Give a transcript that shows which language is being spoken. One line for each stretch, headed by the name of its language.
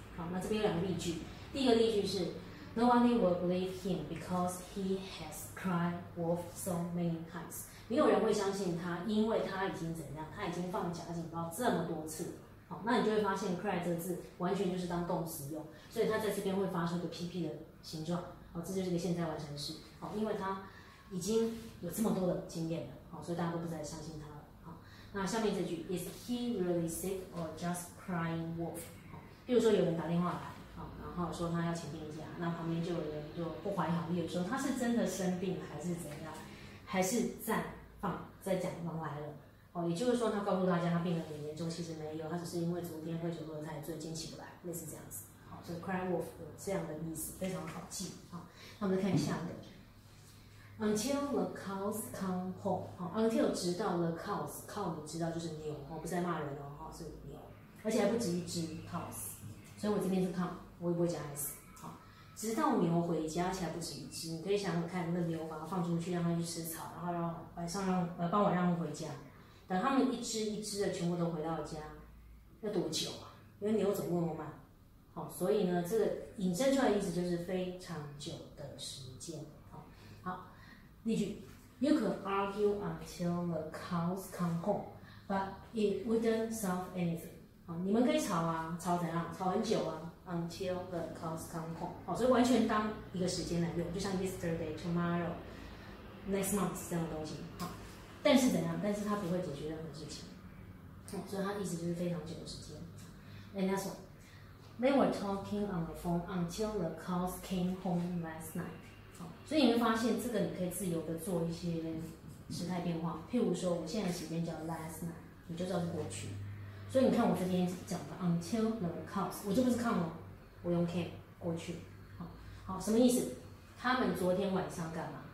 Chinese: 好，那这边有两个例句，第一个例句是
English: No one will believe him because he has cried wolf so many times，
Chinese: 没有人会相信他，因为他已经怎样，他已经放假情报这么多次。好，那你就会发现 cry 这个字完全就是当动词用，所以他在这边会发出一个 PP 的形状，这就是一个现在完成式，因为他已经有这么多的经验了，所以大家都不再相信他了。那下面这句
English: Is he really sick or just crying wolf？
Chinese: 比如说有人打电话来，然后说他要请病假，那旁边就有人就不怀好意的说他是真的生病还是怎样，还是在放在讲狼来了，也就是说他告诉大家他病得很严重，其实没有，他只是因为昨天喝酒喝得太醉，坚持不来，类似这样子。所以 cry wolf 有这样的意思，非常好记。好，那我们再看下一个。
English: Until the cows come home，
Chinese: Until 直到 the cows， cow 你知道就是牛，不是在骂人哦，是牛，而且还不止一只 cows， 所以我这边是 cow， 我也不会加 s。好，直到牛回家，而且还不止一只，你可以想想看，那个牛把它放出去，让它去吃草，然后让晚上让傍晚让它回家，等它们一只一只的全部都回到家，要多久啊？因为牛走路那么慢。所以呢，这个引申出来的意思就是非常久的时间。好，例句
English: ，You could argue until the cows come home， but it wouldn't solve anything。
Chinese: 你们可以吵啊，吵怎样？吵很久啊 ，
English: until the cows come home。
Chinese: 好，所以完全当一个时间来用，就像 yesterday、tomorrow、next month 这样的东西。好，但是怎样？但是它不会解决任何事情。所以它的意思就是非常久的时间。
English: And that's all。 They were talking on the phone until the cows came home last night。
Chinese: 所以你会发现这个你可以自由的做一些时态变化，譬如说我现在的时间叫 last night， 你就知道是过去。所以你看我这边讲的
English: until the cows，
Chinese: 我就不是 come 哦，我用 came 过去。好，什么意思？他们昨天晚上干嘛？